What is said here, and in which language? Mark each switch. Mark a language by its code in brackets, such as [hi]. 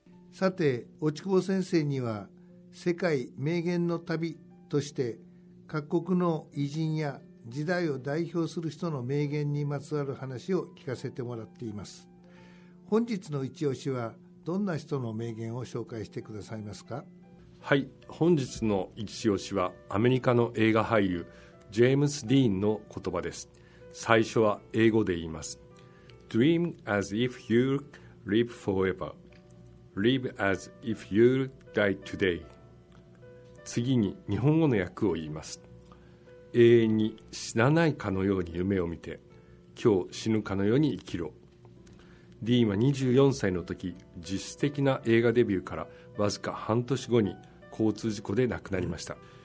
[ja] さて、落ち久保先生には世界名言の旅として各国の偉人や時代を代表する人の名言にまつわる話を聞かせてもらっています。本日の一押しはどんな人の名言を紹介してくださいますか？はい、本日の一押しはアメリカの映画俳優ジェームス・ディーンの言葉です。最初は英語で言います。 [en] Dream as if you'll live foreverLive as if you'll die today. [ja] 次に日本語の訳を言います。永遠に死なないかのように夢を見て、今日死ぬかのように生きろ。ディーンは24歳の時、実質的な映画デビューからわずか半年後に交通事故で亡くなりました。